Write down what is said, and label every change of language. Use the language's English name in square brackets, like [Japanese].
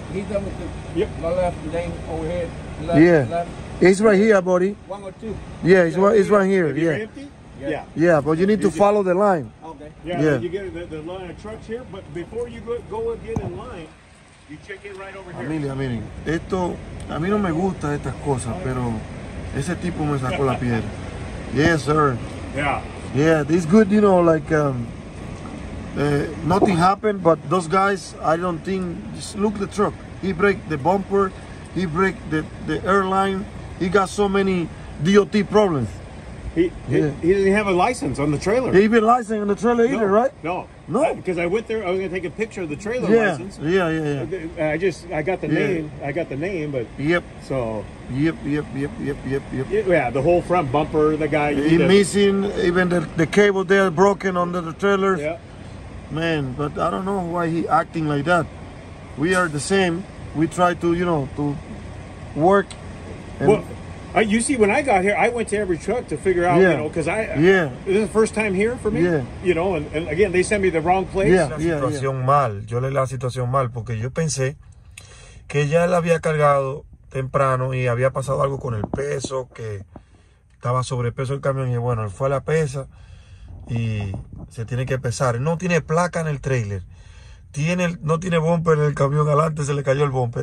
[English] He's done with the my left lane over here. Left. It's right here, buddy. 1 or 2. Yeah, it's right here. If you're empty? Yeah. Yeah, but you need to follow the line. Okay. Yeah. You get the line of trucks here, but before you go again in line, you check in right over here. [Spanish] Amelia, miren, esto, a mí no me gusta estas cosas, pero ese tipo me sacó la piedra. [English] Yes, sir. Yeah. Yeah, it's good, you know, like, nothing happened, but those guys, I don't think, just look the truck. He break the bumper. He break the airline. He got so many DOT problems. He didn't have a license on the trailer. He even license on the trailer, no, either, right? No, No. Because I went there, I was going to take a picture of the trailer license. Yeah, yeah, yeah. I got the name, but. Yep. So. Yep. Yeah, the whole front bumper, the guy. He's missing, even the cable there broken under the trailer. Yeah. Man, but I don't know why he acting like that. We are the same. We try to, you know, to work. Well, you see, when I got here, I went to every truck to figure out, you know, because I, this is the first time here for me, you know, and again, they sent me the wrong place. [Spanish] Yeah, la situación mal. Yo leí la situación mal porque yo pensé que ya la había cargado temprano y había pasado algo con el peso, que estaba sobrepeso el camión y bueno, él fue a la pesa y se tiene que pesar. No tiene placa en el trailer. No tiene bumper en el camión adelante, se le cayó el bumper.